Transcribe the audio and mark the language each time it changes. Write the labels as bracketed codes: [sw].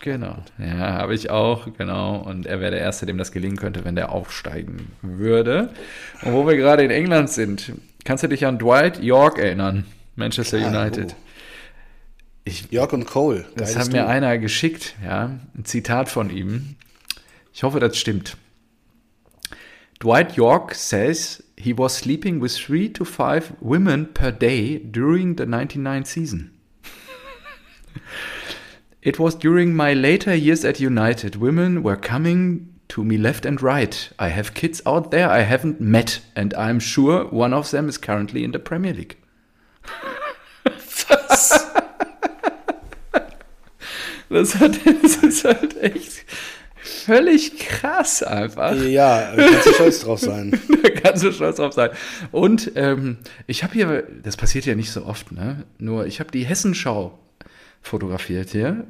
[de] Genau, ja, habe ich auch, genau. Und er wäre der Erste, dem das gelingen könnte, wenn der aufsteigen würde. Und wo wir gerade in England sind, kannst du dich an Dwight York erinnern? Manchester United. York und Cole. Das hat mir einer geschickt, ja. Ein Zitat von ihm. Ich hoffe, das stimmt. [en] Dwight York says he was sleeping with 3 to 5 women per day during the 99 season. It was during my later years at United. Women were coming to me left and right. I have kids out there I haven't met. And I'm sure one of them is currently in the Premier League. [de] Was? Das ist halt echt völlig krass einfach. Ja, da kannst du stolz drauf sein. Da kannst du stolz drauf sein. Und ich habe hier, das passiert ja nicht so oft, ne? Nur ich habe die Hessenschau fotografiert hier.